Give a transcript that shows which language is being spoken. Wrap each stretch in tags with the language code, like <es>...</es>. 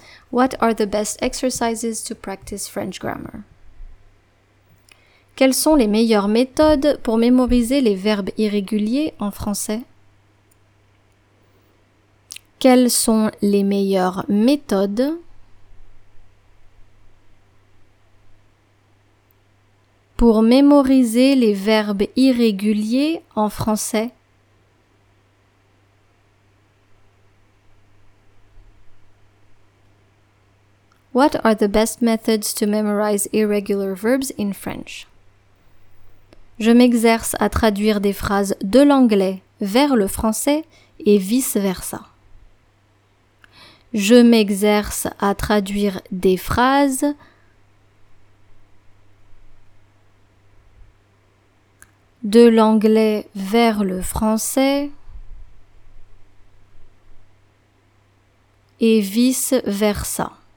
<en>What are the best exercises to practice French grammar?</en> <fr>Quelles sont les meilleures méthodes pour mémoriser les verbes irréguliers en français? Quelles sont les meilleures méthodes pour mémoriser les verbes irréguliers en français?</fr> <en>What are the best methods to memorize irregular verbs in French?</en> <fr>Je m'exerce à traduire des phrases de l'anglais vers le français et vice-versa. Je m'exerce à traduire des phrases de l'anglais vers le français et vice-versa.</fr>